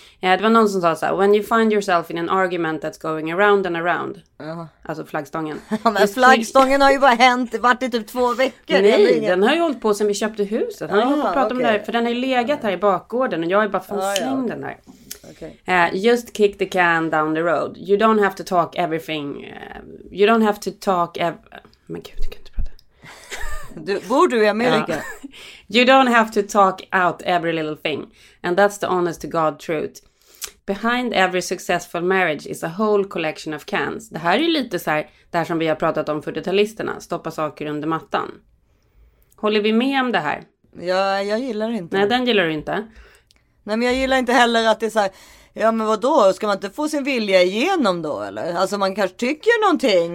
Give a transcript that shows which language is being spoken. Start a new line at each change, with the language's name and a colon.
Swedish: Det var någon som sa så här,
English: when you find yourself in an argument that's going around and around. Uh-huh.
Swedish: Alltså flaggstången. Ja, men flaggstången har ju bara hänt, varit i typ 2 veckor. Nej, den har ju hållit på sedan vi köpte huset. Han har ju hållit på att prata om det här, för den har ju legat här i bakgården och jag är bara fan släng den här.
English: Okay. Just kick the can down the road. You don't have to talk everything. You don't have to talk
Swedish: men gud, det kan inte. Bor du i Amerika?
English: You don't have to talk out every little thing. And that's the honest to God truth. Behind every successful marriage is a whole collection of cans.
Swedish: Det här är ju lite så här, det här som vi har pratat om för detaljisterna. Stoppa saker under mattan. Håller vi med om det här? Jag gillar inte. Nej, den gillar du inte. Nej, men jag gillar inte heller att det är så här. Ja, men vadå? Ska man inte få sin vilja igenom då, eller? Alltså, man kanske tycker någonting.